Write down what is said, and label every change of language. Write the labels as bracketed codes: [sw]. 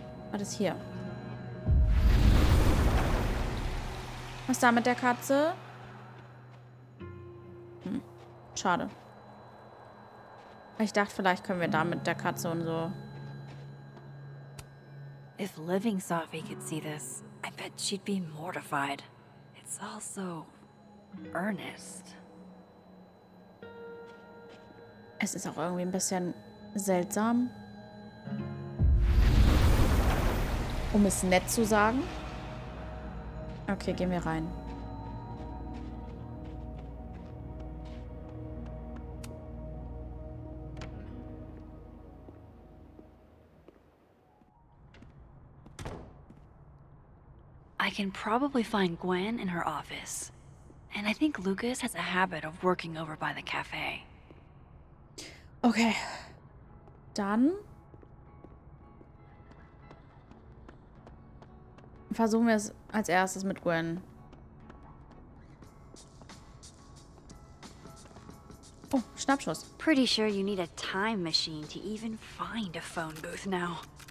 [de] Was ist hier? Was ist da mit der Katze? Schade. Ich dachte, vielleicht können wir da mit der Katze und so. [en] If living Sophie could see this, I bet she'd be mortified. It's all so earnest. [de] Es ist auch irgendwie ein bisschen seltsam. Um es nett zu sagen. Okay, gehen wir rein. [en] I can probably find Gwen in her office. And I think Lucas has a habit of working over by the cafe. Okay. [de] Dann versuchen wir es als erstes mit Gwen. Oh, Schnappschuss. [en] Pretty sure you need a time machine to even find a phone booth now.